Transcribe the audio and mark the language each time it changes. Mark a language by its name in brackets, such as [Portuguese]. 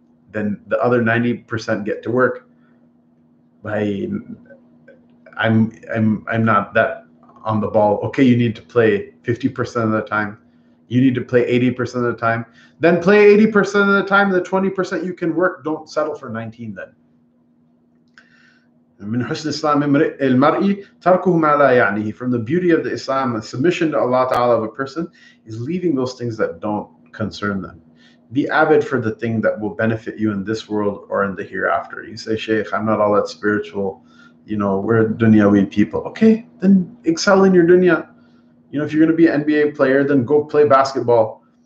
[English] Then the other 90% get to work. I'm not that on the ball. Okay, you need to play 50% of the time. You need to play 80% of the time. Then play 80% of the time. The 20% you can work, don't settle for 19 then. [Arabic] من حسن الإسلام المرء تركه ما لا يعنيه. [English] From the beauty of the Islam, the submission to Allah Ta'ala of a person is leaving those things that don't concern them. Be avid for the thing that will benefit you in this world or in the hereafter. You say, Shaykh, I'm not all that spiritual. You know, we're dunyawi people. Okay, then excel in your dunya. You know, if you're going to be an NBA player, then go play basketball.